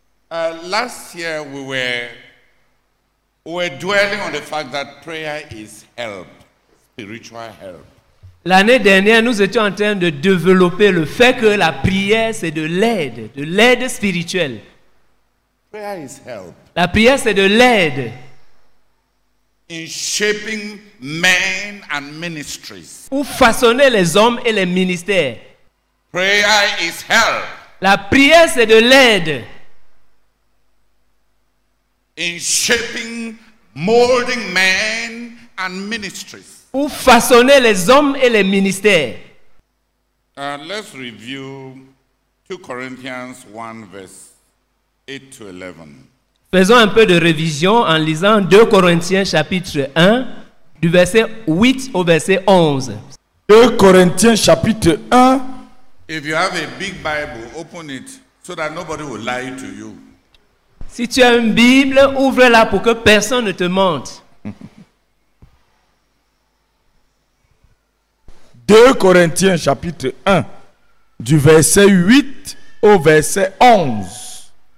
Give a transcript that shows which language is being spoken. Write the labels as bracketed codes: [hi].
[en] Last year we were dwelling on the fact that prayer is help, spiritual help. [fr] L'année dernière, nous étions en train de développer le fait que la prière c'est de l'aide spirituelle. [en] Prayer is help. [fr] La prière c'est de l'aide. [en] In shaping men and ministries. [fr] Pour façonner les hommes et les ministères. [en] Prayer is help. [fr] La prière c'est de l'aide. [en] In shaping, molding men and ministries. [fr] Pour façonner les hommes et les ministères. [en] Let's review 2 Corinthians 1 verse 8 to 11. [fr] Faisons un peu de révision en lisant 2 Corinthiens chapitre 1 du verset 8 au verset 11. 2 Corinthiens chapitre 1. [en] If you have a big Bible, open it so that nobody will lie to you. [fr] Si tu as une Bible, ouvre-la pour que personne ne te mente. 2 Corinthiens chapitre 1 du verset 8 au verset 11.